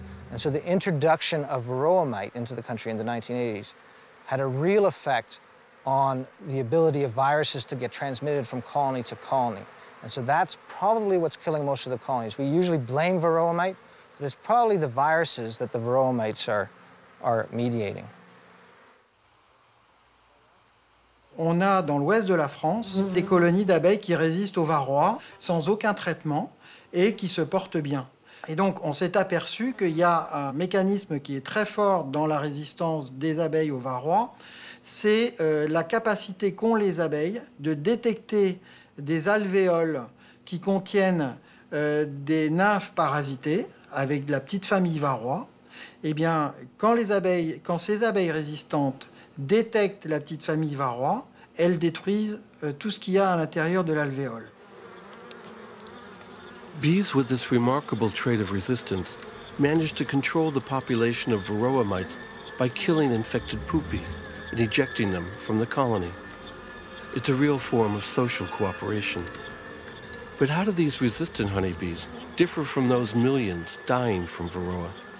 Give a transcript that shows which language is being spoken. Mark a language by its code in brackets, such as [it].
[en] And so the introduction of varroa mite into the country in the 1980s had a real effect on the ability of viruses to get transmitted from colony to colony. And so that's probably what's killing most of the colonies. We usually blame varroa mite, but it's probably the viruses that the varroa mites are mediating. [fr] On a dans l'ouest de la France des colonies d'abeilles qui résistent aux varroa sans aucun traitement et qui se portent bien. Et donc on s'est aperçu qu'il y a un mécanisme qui est très fort dans la résistance des abeilles aux varroa, c'est la capacité qu'ont les abeilles de détecter des alvéoles qui contiennent des nymphes parasitées avec de la petite famille varroa. Et bien quand ces abeilles résistantes détectent la petite famille varroa, elles détruisent tout ce qu'il y a à l'intérieur de l'alvéole. [en] Bees with this remarkable trait of resistance managed to control the population of varroa mites by killing infected pupae and ejecting them from the colony. It's a real form of social cooperation. But how do these resistant honeybees differ from those millions dying from varroa?